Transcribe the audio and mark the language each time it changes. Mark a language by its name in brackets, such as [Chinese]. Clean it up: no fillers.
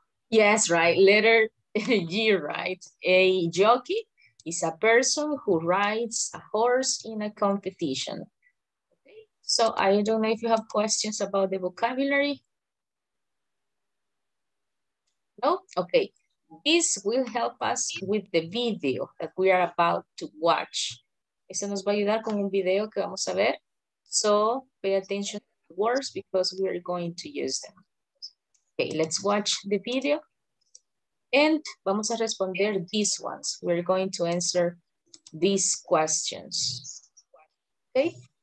[English] Yes, right, letter G, right? A jockey is a person who rides a horse in a competition. Okay. So I don't know if you have questions about the vocabulary. No? Okay. This will help us with the video that we are about to watch. [Spanish] Eso nos va a ayudar con un video que vamos a ver. [English] So pay attention to the words because we are going to use them. Okay, let's watch the video. And [Spanish] vamos a responder [English] these ones. We're going to answer these questions. Okay?